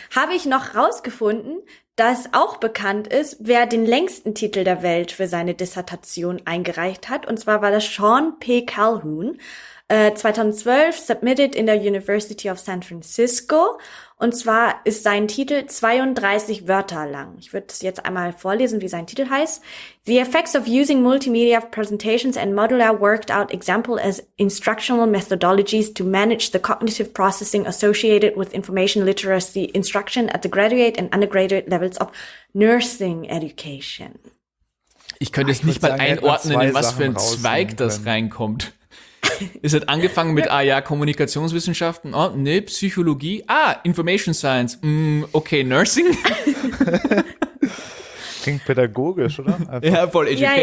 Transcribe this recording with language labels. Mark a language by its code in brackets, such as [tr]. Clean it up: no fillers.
[de] Habe ich noch rausgefunden, dass auch bekannt ist, wer den längsten Titel der Welt für seine Dissertation eingereicht hat. Und zwar war das Sean P. Calhoun. 2012 submitted in der University of San Francisco. Und zwar ist sein Titel 32 Wörter lang. Ich würde es jetzt einmal vorlesen, wie sein Titel heißt. [en] The effects of using multimedia presentations and modular worked out example as instructional methodologies to manage the cognitive processing associated with information literacy instruction at the graduate and undergraduate levels of nursing education. [de] Ich könnte es nicht mal einordnen, in was für ein Zweig das reinkommt. Es hat angefangen mit, Kommunikationswissenschaften, Psychologie, Information Science, okay, Nursing. Klingt pädagogisch, oder? Einfach. Ja, voll Education.